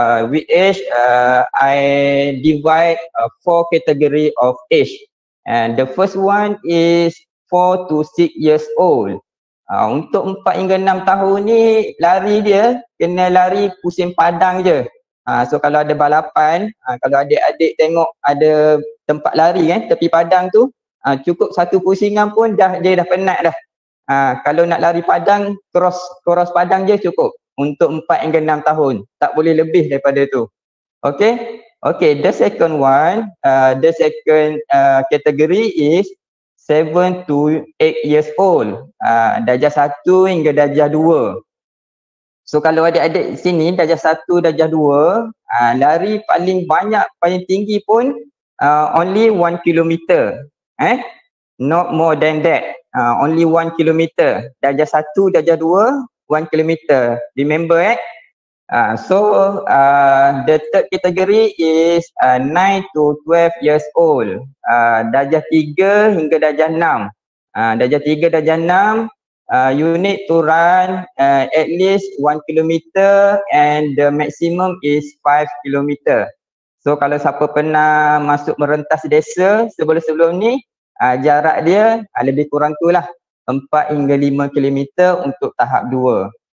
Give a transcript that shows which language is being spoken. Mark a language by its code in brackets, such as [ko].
[en] With age, I divide four category of age. And the first one is 4 to 6 years old. [ms] Untuk 4 hingga 6 tahun ni, lari dia kena lari pusing padang je. So kalau ada balapan, kalau adik-adik tengok ada tempat lari tepi padang tu, cukup satu pusingan pun dah dia dah penat dah. Kalau nak lari padang, cross padang je cukup untuk 4 hingga 6 tahun. Tak boleh lebih daripada tu. [en] Okay? Okay, the second one, the second category is 7 to 8 years old. [ms] Darjah 1 hingga darjah 2. So kalau adik-adik sini darjah 1, darjah 2, lari paling banyak, paling tinggi pun [en] only 1 kilometer. Not more than that. Only 1 kilometer. [ms] Darjah 1, darjah 2, 1 kilometer. [en] Remember eh? The third category is 9 to 12 years old. [ms] Darjah 3 hingga darjah 6. Darjah 3, darjah 6, [en] you need to run at least 1 kilometer and the maximum is 5 kilometer. [ms] So kalau siapa pernah masuk merentas desa sebelum-sebelum ni, jarak dia lebih kurang tu lah, 4 hingga 5 kilometer untuk tahap 2.